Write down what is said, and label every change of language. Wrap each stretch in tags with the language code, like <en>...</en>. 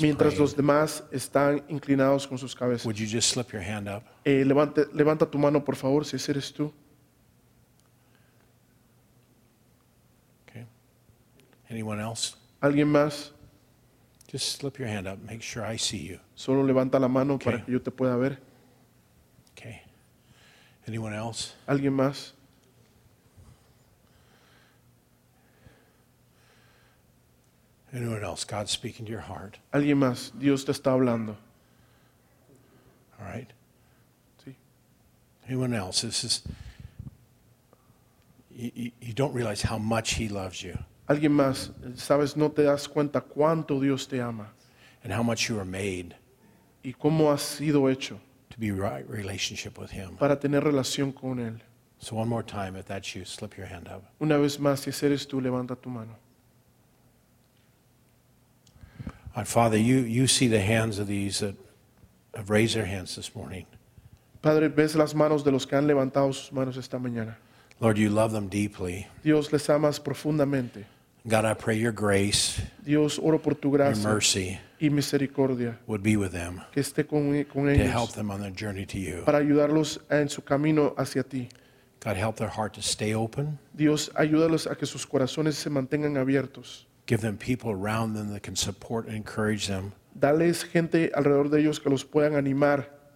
<es>mientras</es> <en>praying,</en> <es>los demás están inclinados con sus cabezas,</es> <en>would you just slip your hand up?</en> <es>Levanta tu mano, por favor, si ese eres tú.</es> <en>Okay. Anyone else?</en> <es>¿Alguien más?</es> <en>Just slip your hand up. Make sure I see you.</en> <es>Solo levanta la mano, okay, para que yo te pueda ver.</es> <en>Okay. Anyone else?</en> <es>¿Alguien más?</es> <en>Anyone else? God's speaking to your heart.</en> <es>¿Alguien más? Dios te está hablando.</es> <en>All right.</en> <es>Sí.</es> <en>Anyone else? This is, you don't realize how much he loves you.</en> <es>Alguien más, sabes, no te das cuenta cuánto Dios te ama.</es> <en>And how much you are made.</en> <es>Y cómo has sido hecho.</es> <en>To be right relationship with him.</en> <es>Para tener relación con él.</es> <en>So one more time, if that's you, slip your hand up.</en> <es>Una vez más, si eres tú, levanta tu mano.</es> <en>Our Father, you see the hands of these that have raised their hands this morning.</en> <es>Padre, ves las manos de los que han levantado sus manos esta mañana.</es> <en>Lord, you love them deeply.</en> <es>Dios, les amas profundamente.</es> <en>God, I pray your grace,</en> <es>Dios, oro por tu gracia,</es> <en>your mercy,</en> <es>y misericordia,</es> <en>would be with them,</en> <es>que esté con ellos,</es> <en>to help them on their journey to you.</en> <es>Para ayudarlos en su camino hacia ti.</es> <en>God, help their heart to stay open.</en> <es>Dios, ayúdalos a que sus corazones se mantengan abiertos.</es> <en>Give them people around them that can support and encourage them.</en> <es>Dales gente alrededor de ellos que los puedan animar.</es>